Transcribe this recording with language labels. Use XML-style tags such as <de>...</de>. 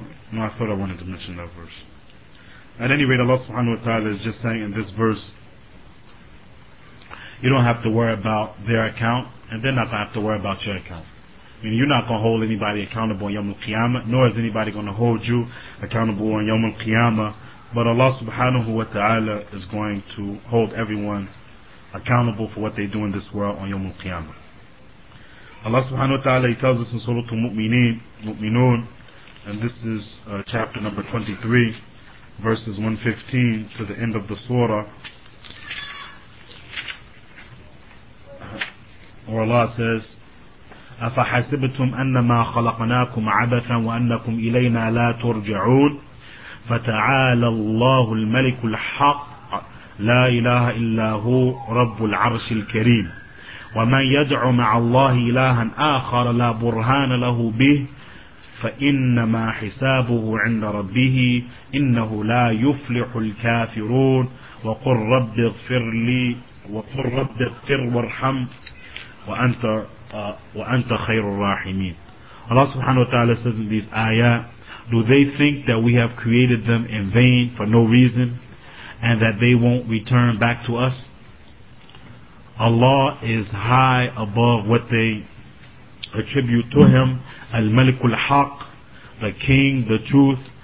<en>No, I thought I wanted to mention that verse. At any rate, Allah subhanahu wa ta'ala is just saying in this verse, you don't have to worry about their account, and they're not going to have to worry about your account. I mean, you're not going to hold anybody accountable on Yawm al-Qiyamah, nor is anybody going to hold you accountable on Yawm al-Qiyamah. But Allah subhanahu wa ta'ala is going to hold everyone accountable for what they do in this world on Yawm al-Qiyamah. Allah subhanahu wa ta'ala, He tells us in Surah Al-Mu'minun, and this is chapter number 23, verses 115 to the end of the surah, where Allah says,</en> <ar>أَفَحَسِبْتُمْ أَنَّمَا خَلَقْنَاكُمْ عَبَثًا وَأَنَّكُمْ إِلَيْنَا لَا تُرْجَعُونَ فَتَعَالَى اللَّهُ الْمَلِكُ الْحَقُّ لَا إِلَهَ إِلَّا هُوَ رَبُّ الْعَرْشِ الْكَرِيمِ وَمَنْ يَدْعُ مَعَ اللَّهِ إِلَهًا آخَرَ لَا بُرْهَانَ لَهُ بِهِ فَإِنَّمَا حِسَابُهُ عِنْدَ رَبِّهِ إِنَّهُ لَا يُفْلِحُ الْكَافِرُونَ وَقُلْ رَبِّ اغْفِرْ لِي وَقُلْ رَبِّ اغْفِرْ وَارْحَمْ وَأَنْتَ وَأَنْتَ خَيْرُ الرَّاحِمِينَ.</ar> <en>Allah subhanahu wa ta'ala says in these ayah, do they think that we have created them in vain for no reason and that they won't return back to us? Allah is high above what they attribute to Him, al-Malikul Haq, the King, the Truth,</en>